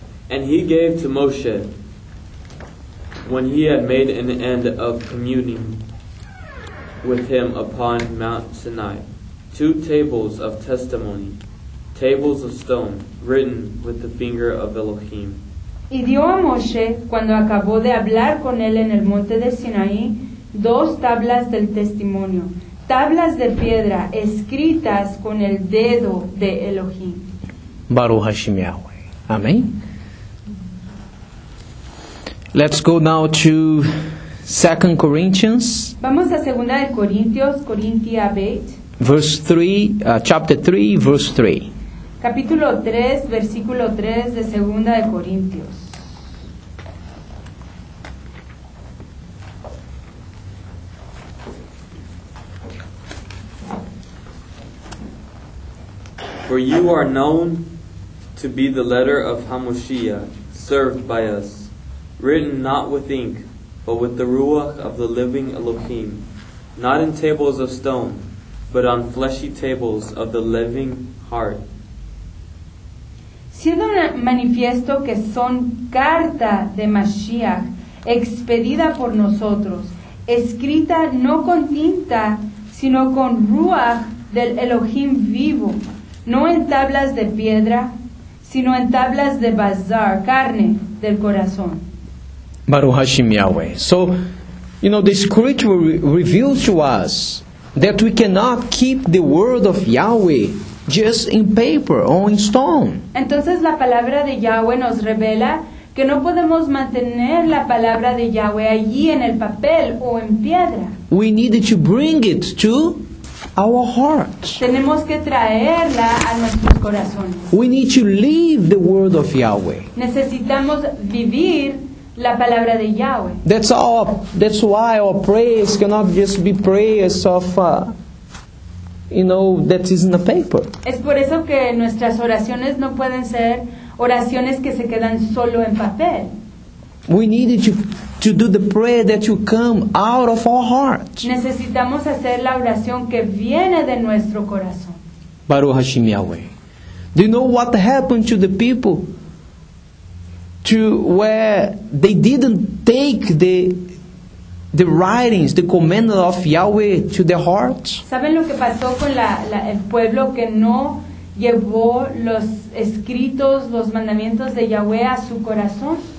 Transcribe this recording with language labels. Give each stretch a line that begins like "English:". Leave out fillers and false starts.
English: And he gave to Moshe, when he had made an end of communing with him upon Mount Sinai, two tables of testimony, tables of stone, written with the finger of Elohim.
Spanish: Y dio a Moshe, cuando acabó de hablar con él en el monte de Sinaí, dos tablas del testimonio, tablas de piedra, escritas con el dedo de Elohim.
Hebrew: Baruch Hashem Yahweh. Amen.
English: Let's go now to 2 Corinthians.
Spanish: Vamos a Segunda de Corintios, Corintia 8.
English: Verse 3.
Spanish: Capítulo 3, versículo 3 de Segunda de Corintios.
English: For you are known to be the letter of Hamoshiach, served by us, written not with ink, but with the ruach of the living Elohim, not in tables of stone, but on fleshy tables of the living heart.
Spanish: Siendo manifiesto que son carta de Mashiach, expedida por nosotros, escrita no con tinta, sino con ruach del Elohim vivo, no en tablas de piedra, sino en tablas de bazar, carne del corazón.
Hebrew: Baruch Hashem Yahweh.
English: So, you know, the scripture reveals to us that we cannot keep the word of Yahweh just in paper or in stone.
Spanish: Entonces la palabra de Yahweh nos revela que no podemos mantener la palabra de Yahweh allí en el papel o en piedra.
English: We need to bring it to our hearts.
Spanish: Tenemos que traerla a nuestros corazones.
English: We need to live the word of Yahweh.
Spanish: Necesitamos vivir la palabra de Yahweh.
English: That's why our prayers cannot just be prayers of, you know, that is in the paper.
Spanish: Es por eso que nuestras oraciones no pueden ser oraciones que se quedan solo en papel.
English: We need to do the prayer that you come out of our heart.
Spanish: Necesitamos hacer la oración que viene de nuestro corazón.
Hebrew: Baruch Hashem Yahweh.
English: Do you know what happened to the people? To where they didn't take the writings, the commandment of Yahweh to their hearts.
Spanish: ¿Saben lo que pasó con el pueblo que no llevó los escritos, los mandamientos de Yahweh a su corazón?